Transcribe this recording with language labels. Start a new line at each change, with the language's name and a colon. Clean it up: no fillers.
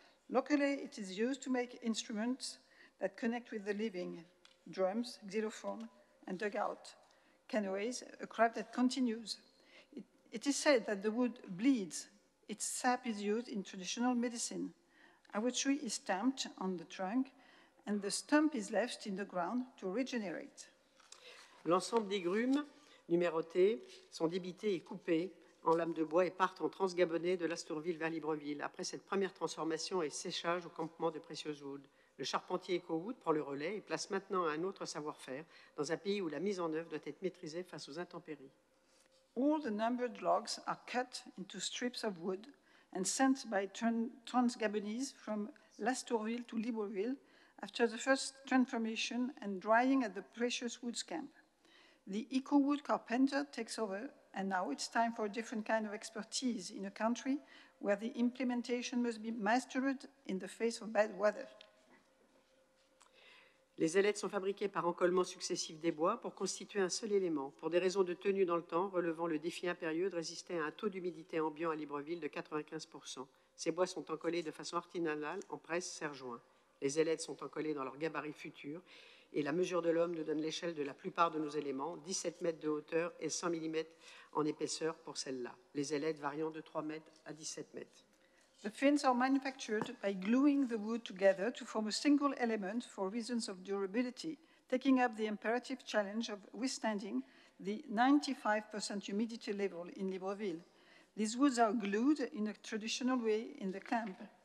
English: Locally, it is used to make instruments that connect with the living, drums, xylophone and dugout, canoes, a craft that continues. It is said that the wood bleeds. Its sap is used in traditional medicine. Our tree is stamped on the trunk and the stump is left in the ground to regenerate.
French: L'ensemble des grumes numérotées sont débitées et coupées en lames de bois et partent en transgabonnées de l'Astourville vers Libreville après cette première transformation et séchage au campement de Precious Wood. Le charpentier Eco-Wood prend le relais et place maintenant un autre savoir-faire dans un pays où la mise en œuvre doit être maîtrisée face aux intempéries.
English: All the numbered logs are cut into strips of wood and sent by transgabonese from Lastourville to Libreville after the first transformation and drying at the Precious Woods camp. The Eco-Wood carpenter takes over, and now it's time for a different kind of expertise in a country where the implementation must be mastered in the face of bad weather.
French: Les ailettes sont fabriquées par encollement successif des bois pour constituer un seul élément, pour des raisons de tenue dans le temps, relevant le défi impérieux de résister à un taux d'humidité ambiant à Libreville de 95%. Ces bois sont encollés de façon artisanale en presse serre-joint. Les ailettes sont encollées dans leur gabarit futur et la mesure de l'homme nous donne l'échelle de la plupart de nos éléments, 17 mètres de hauteur et 100 mm en épaisseur pour celle-là. Les ailettes variant de 3 mètres à 17 mètres.
English: The fins are manufactured by gluing the wood together to form a single element for reasons of durability, taking up the imperative challenge of withstanding the 95% humidity level in Libreville. These woods are glued in a traditional way in the camp.